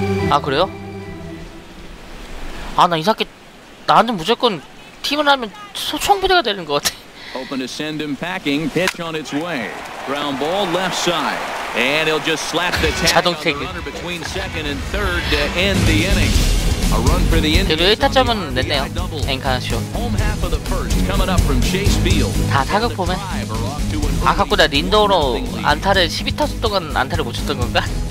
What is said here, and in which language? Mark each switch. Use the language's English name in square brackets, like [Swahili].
[Korean] 아, 그래요? 아, 나 이상하게 나는 무조건 팀을 하면 소총 부대가 되는 것 같아. [English] Open to send him packing. Pitch on its way. Ground ball left side. And he'll just slap the tag on the runner between second and third to end the inning. A run for the Indians. [Korean] 그래도 1타점은 냈네요. [English] 엔카나시오. Home half of the first coming up from Chase Field. [Korean] 다 타격 보면. 아깝고 나 린도로 안타를 12타수 동안 안타를 못 쳤던 건가?